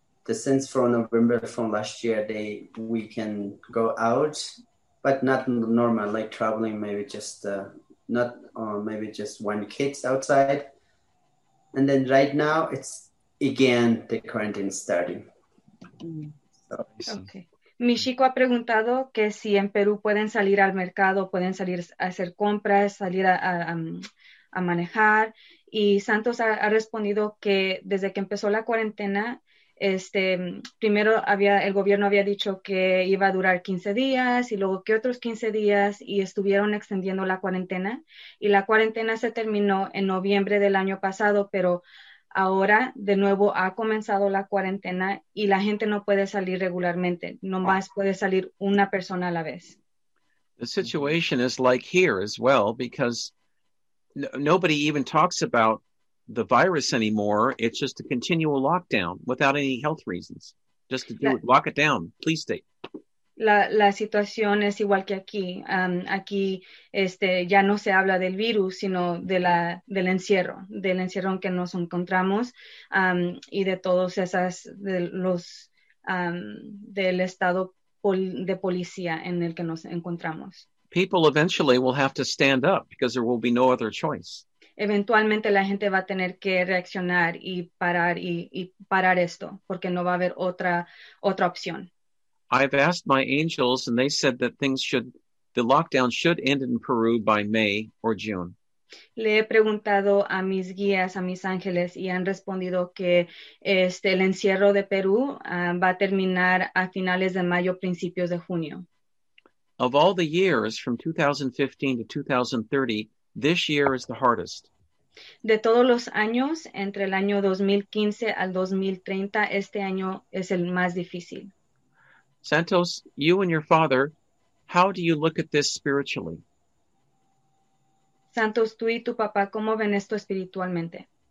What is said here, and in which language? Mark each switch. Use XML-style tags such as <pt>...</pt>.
<en>Since from November from last year, we can go out, but not normal, like traveling, maybe just maybe just one kid outside. And then right now it's again the quarantine starting. Okay.</en> <es>Mishiko ha preguntado que si en Perú pueden salir al mercado, pueden salir a hacer compras, salir a manejar. Y Santos ha respondido que desde que empezó la cuarentena, primero el gobierno había dicho que iba a durar 15 días y luego que otros 15 días y estuvieron extendiendo la cuarentena. Y la cuarentena se terminó en noviembre del año pasado, pero ahora de nuevo ha comenzado la cuarentena y la gente no puede salir regularmente, nomás puede salir una persona a la vez.</es> <en>The situation is like here as well, because nobody even talks about the virus anymore. It's just a continual lockdown without any health reasons, just to do it, lock it down. Please stay.</en> <es>La situación es igual que aquí. Aquí ya no se habla del virus, sino del encierro en que nos encontramos, y de todos esas de los del estado de policía en el que nos encontramos.</es> <en>People eventually will have to stand up because there will be no other choice.</en> <es>Eventualmente la gente va a tener que reaccionar y parar y parar esto, porque no va a haber otra opción.</es> <en>I've asked my angels and they said that the lockdown should end in Peru by May or June.</en> <es>Le he preguntado a mis guías, a mis ángeles, y han respondido que el encierro de Perú va a terminar a finales de mayo, principios de junio.</es> <en>Of all the years from 2015 to 2030, this year is the hardest.</en> <es>De todos los años, entre el año 2015 al 2030, este año es el más difícil.</es> <en>Santos, you and your father, how do you look at this spiritually?</en> <es>Santos, tú y tu papá, ¿cómo ven esto espiritualmente?</es>